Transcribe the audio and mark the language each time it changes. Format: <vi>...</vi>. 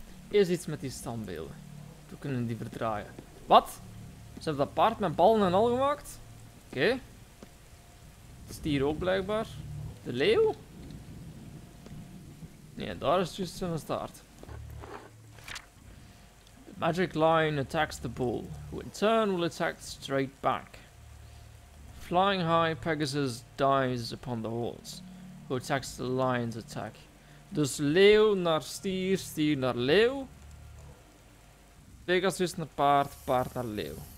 <nl>Eerst iets met die standbeelden. Toen kunnen die verdraaien. Wat? Ze hebben dat paard met ballen en al gemaakt? Oké. Okay. Het stier ook blijkbaar. De leeuw? Nee, daar is juist zijn staart.</nl> <en>Magic lion attacks the bull, who in turn will attack straight back. Flying high, Pegasus dives upon the horse, who attacks the lion's attack.</en> <nl>Dus leeuw naar stier, stier naar leeuw. Pegasus naar paard, paard naar leeuw.</nl>